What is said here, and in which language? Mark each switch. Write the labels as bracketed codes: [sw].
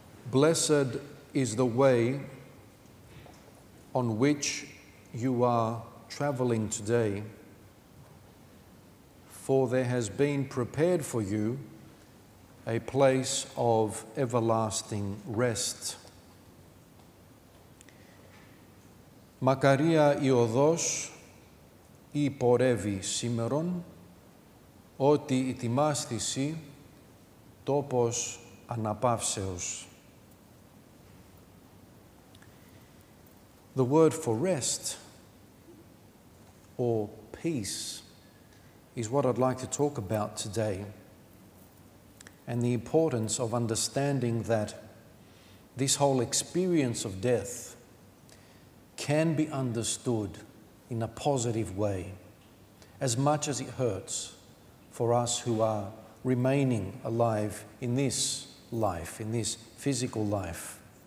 [en] Blessed is the way on which you are traveling today, for there has been prepared for you a place of everlasting rest. [el] Μακαρία η οδός ή πορεύει σήμερον, ότι η τιμάσθηση τόπος αναπαύσεως. [en] The word for rest or peace is what I'd like to talk about today, and the importance of understanding that this whole experience of death can be understood in a positive way, as much as it hurts for us who are remaining alive in this life, in this physical life.